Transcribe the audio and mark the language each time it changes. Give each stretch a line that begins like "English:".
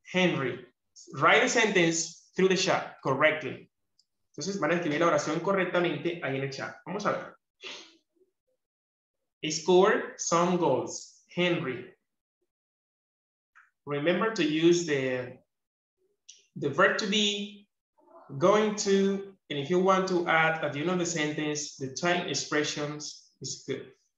English: Henry, write a sentence through the chat correctly.
Spanish: Entonces van a escribir la oración correctamente ahí en el chat. Vamos a ver.
English: Score some goals. Henry, remember to use the verb to be, going to, and if you want to add at the end of the sentence, the time expressions is good.